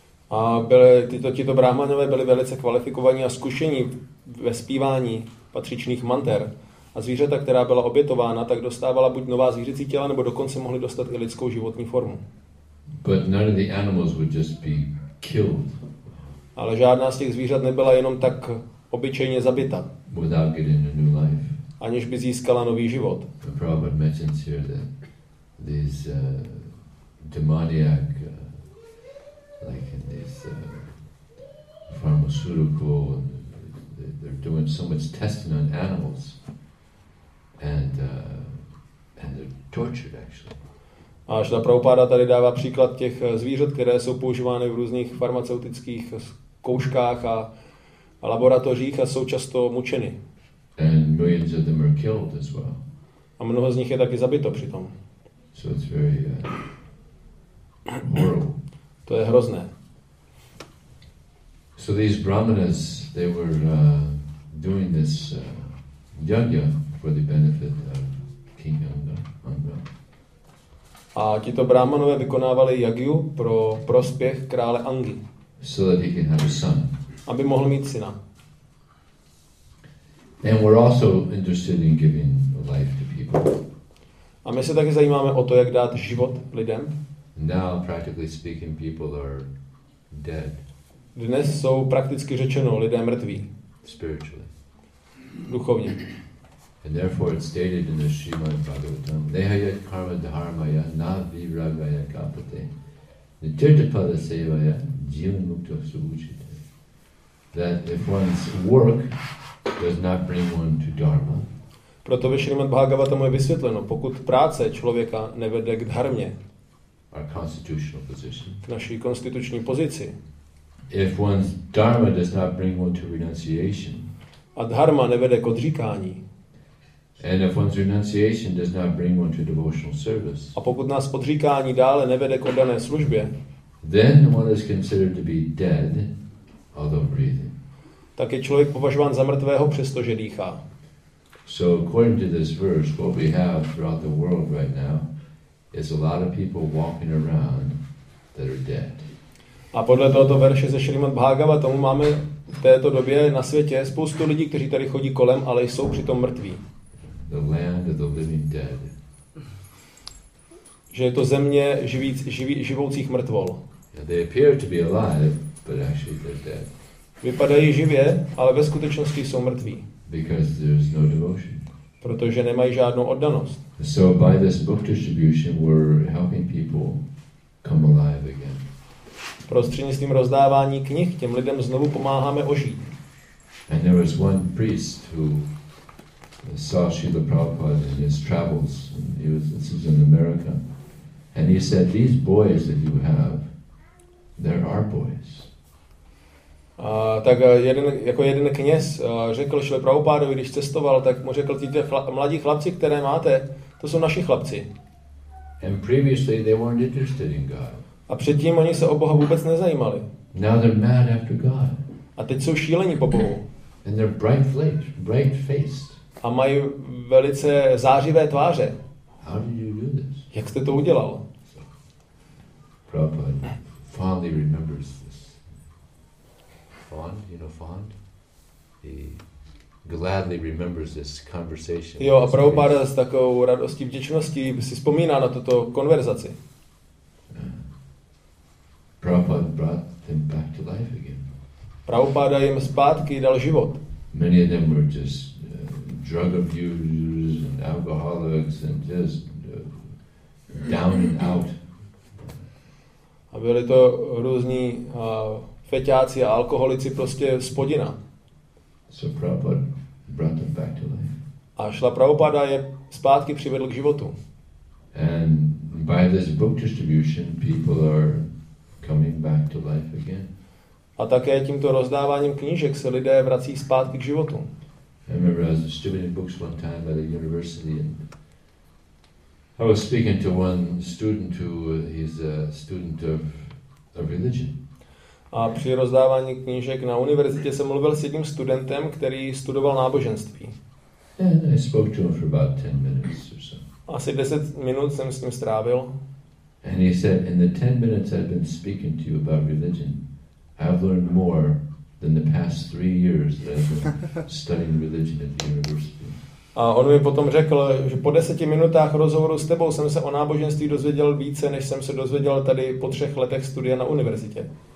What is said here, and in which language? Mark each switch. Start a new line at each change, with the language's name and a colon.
Czech: A byli, tito brahmanové byli velice kvalifikovaní a zkušení ve zpívání patřičných manter. A zvířata, která byla obětována, tak dostávala buď nová zvířecí těla, nebo dokonce mohli dostat i lidskou životní formu.
English: But none of the animals would just be killed.
Czech: Ale žádná z těch zvířat nebyla jenom tak obyčejně zabita.
English: Without getting a new life.
Czech: Aniž by získala nový život.
English: Prabhupada mentions here that these demoniac like in these pharmaceutical, they're doing so much testing on animals, and they're tortured actually.
Czech: A Šrila Prabhupáda tady dává příklad těch zvířat, které jsou používány v různých farmaceutických zkouškách a laboratořích a jsou často mučeny.
English: And millions of them are killed as well.
Czech: A mnoho z nich je taky zabito přitom.
English: So it's very moral.
Czech: To je hrozné.
English: So these brahmanas, they were doing this yajna for the benefit of King Anga.
Czech: A tito brahmanové vykonávali jagyu pro prospěch krále Angy.
English: So that he can have a son.
Czech: Aby mohl mít syna.
English: And we're also interested in giving life to people.
Czech: A my se taky zajímáme o to, jak dát život lidem.
English: Now, practically speaking, people are dead.
Czech: Dnes jsou prakticky řečeno lidé mrtví.
English: Spiritually.
Czech: Duchovně.
English: And therefore it's stated in the Srimad Bhagavatam,
Sanskrit: Nehayat karma dharmaya na viragaya kapate nityatapada sevaya jivan mukta subuchite.
English: That if one's work does not bring one to dharma.
Czech: Proto ve Srimad Bhagavatam je vysvětleno, pokud práce člověka nevede k dharmě,
English: our constitutional position,
Czech: k naší konstituční pozici,
English: if one's dharma does not bring one to renunciation,
Czech: a dharma nevede k odříkání,
English: and if one's renunciation does not bring one to devotional service,
Czech: a pokud nás odříkání dále nevede k oddané službě,
English: then one is considered to be dead, although breathing.
Czech: Tak je člověk považován za mrtvého, přestože dýchá.
English: So according to this verse, what we have throughout the world right now is a lot of people walking around that are dead.
Czech: A podle tohoto verše ze Šrimad Bhagavatamu máme v této době na světě spoustu lidí, kteří tady chodí kolem, ale jsou přitom mrtví.
English: The land of the living dead.
Czech: Že je to země živoucích mrtvol.
English: Yeah, they appear to be alive, but actually they're dead.
Czech: Vypadají živě, ale ve skutečnosti jsou mrtví.
English: Because there's no devotion.
Czech: Protože nemají žádnou oddanost.
English: So by this book distribution we're helping people come alive again.
Czech: Prostřednictvím rozdávání knih těm lidem znovu pomáháme ožít.
English: And there was one priest who saw Srila Prabhupada in his travels, and he was, this is in America, and he said, these boys that you have, they're our boys.
Czech: Tak jeden, jako jeden kněz řekl Šile Prabhupádovi, když cestoval, tak mu řekl, ty mladí chlapci, které máte, to jsou naši chlapci.
English: And previously they weren't interested in God.
Czech: A předtím oni se o Boha vůbec nezajímali.
English: Now they're mad after God.
Czech: A teď jsou šílení po Bohu.
English: And they're bright-faced.
Czech: A mají velice zářivé tváře.
English: How did you do this?
Czech: Jak jste to udělal?
English: Prabhupada fondly remembers this. Fond, you know, fond. He gladly remembers this conversation.
Czech: Jo, a Prabhupada s takovou radostí, vděčností si vzpomíná na tuto konverzaci.
English: Prabhupada brought them back to life again.
Czech: Prabhupada jim zpátky dal život.
English: Many of them were just drug abusers and alcoholics and just down and out.
Czech: A byli to různí feťáci a alkoholici, prostě spodina.
English: So Prabhupada brought them back to life.
Czech: A Šla Prabhupada je zpátky přivedl k životu.
English: And by this book distribution, people are coming back to life again.
Czech: A také tímto rozdáváním knížek se lidé vrací zpátky k životu.
English: I remember I was distributing books one time at a university, and I was speaking to one student who he's a student of religion.
Czech: A při rozdávání knížek na univerzitě jsem mluvil s jedním studentem, který studoval náboženství.
English: And I spoke to him for about 10 minutes or so.
Czech: Asi 10 minut jsem s ním strávil.
English: And he said, in the 10 minutes I've been speaking to you about religion, I've learned more than the past 3 years that I've been studying religion at the university.
Czech: A on mi potom řekl, že po 10 minutách rozhovoru s tebou jsem se o náboženství dozvěděl více, než jsem se dozvěděl tady po 3 letech studia na univerzitě.